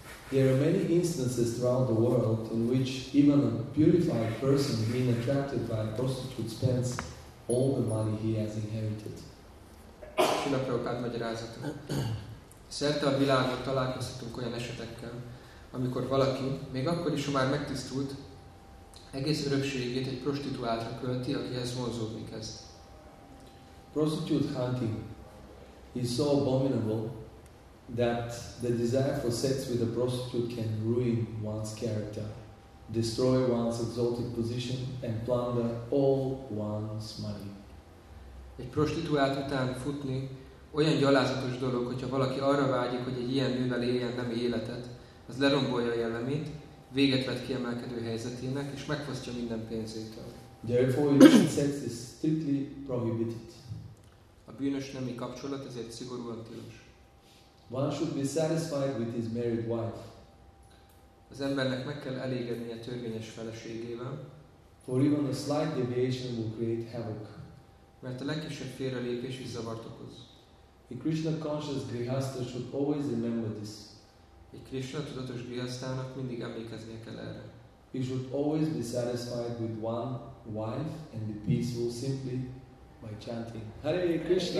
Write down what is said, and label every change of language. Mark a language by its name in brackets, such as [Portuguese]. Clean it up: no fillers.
[English] There are many instances throughout the world in which even a purified person being attracted by a prostitute spends all the money he has inherited. [Hungarian] Srila Prabhupada magyarázata. Szerte a világon találkozhatunk olyan esetekkel, amikor valaki, még akkor is, ha már megtisztult, egész örökségét egy prostituáltra költi, akihez vonzódni kezd. [English] Prostitute hunting is so abominable that the desire for sex with a prostitute can ruin one's character, destroy one's exalted position and plunder all one's money. [Hungarian] Egy prostituált után futni olyan gyalázatos dolog, hogyha valaki arra vágyik, hogy egy ilyen nővel éljen nemi életet, az lerombolja a jellemét, véget vet kiemelkedő helyzetének, és megfosztja minden pénzétől. [English] Therefore, sex is strictly prohibited. [Hungarian] A bűnös nemi kapcsolat ezért szigorúan tilos. [English] One should be satisfied with his married wife. [Hungarian] Az embernek meg kell elégednie a törvényes feleségével. [English] For even a slight deviation will create havoc. [Hungarian] Mert a legkisebb félrelépés is zavart okoz. [English] A Krishna conscious grihastha should always remember this. [Hungarian] Egy Krishna tudatos grihasthának mindig emlékeznie kell erre. [English] He should always be satisfied with one wife and be peaceful simply by chanting Hare Krishna,